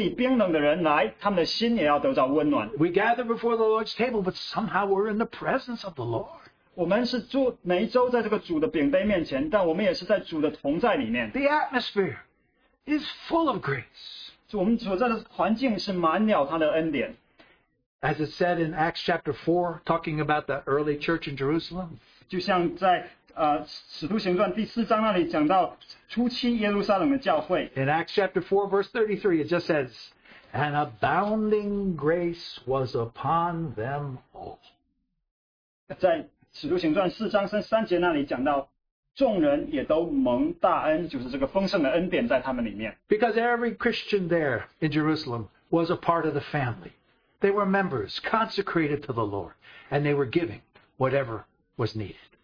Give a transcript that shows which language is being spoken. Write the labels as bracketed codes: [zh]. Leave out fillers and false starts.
[zh] 如果我们的聚会是满了这个恩典，那实在让那一些好像心里冰冷的人来，他们的心也要得到温暖。 [en] We gather before the Lord's table, but somehow we're in the presence of the Lord. [zh] 我们是每一周在这个主的饼杯面前，但我们也是在主的同在里面。 [en] The atmosphere is full of grace. As it said in Acts chapter 4, talking about the early church in Jerusalem, [zh] 就像在, 使徒行传第四章那里, [en] in Acts chapter 4, verse 33, it just says, an abounding grace was upon them all. [zh] 在使徒行传四章三节那里讲到, 众人也都蒙大恩, [en] because every Christian there in Jerusalem was a part of the family. They were members consecrated to the Lord, and they were giving whatever was needed.